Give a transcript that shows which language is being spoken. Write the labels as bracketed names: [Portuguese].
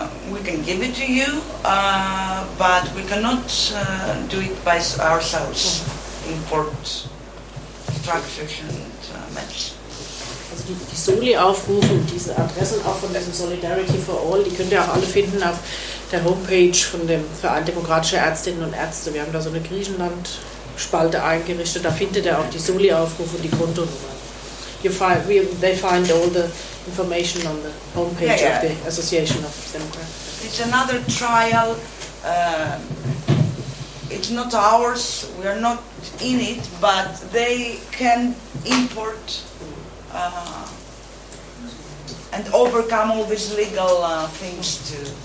[English] We can give it to you, but we cannot do it by ourselves. Mm-hmm. Import structures and medicines. [German] Die Soli-Aufrufe und diese Adressen auch von diesem Solidarity for All, die könnt ihr auch alle finden auf der Homepage von dem Verein Demokratischer Ärztinnen und Ärzte. Wir haben da so eine Griechenland-Spalte eingerichtet, da findet ihr auch die Soli-Aufrufe und die Kontonummer. [English] you find we, they find all the information on the homepage of the Association of Democrats. It's another trial. It's not ours. We are not in it, but they can import and overcome all these legal things to.